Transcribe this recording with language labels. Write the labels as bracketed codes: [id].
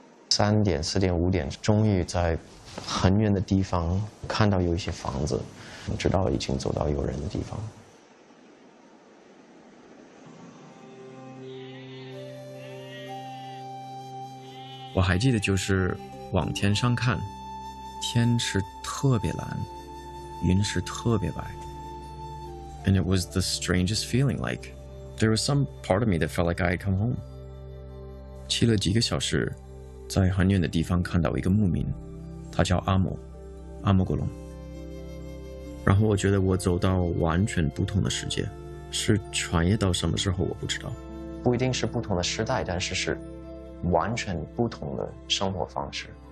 [zh] 3点、4点、5点，终于在很远的地方看到有一些房子，知道已经走到有人的地方。我还记得，就是往天上看，天是特别蓝，云是特别白。 [en] And it was the strangest feeling, like there was some part of me that felt like I had come home. [zh] 骑了几个小时。在很远的地方看到一个牧民，他叫阿莫古龙。然后我觉得我走到完全不同的世界，是穿越到什么时候我不知道，不一定是不同的时代，但是是完全不同的生活方式。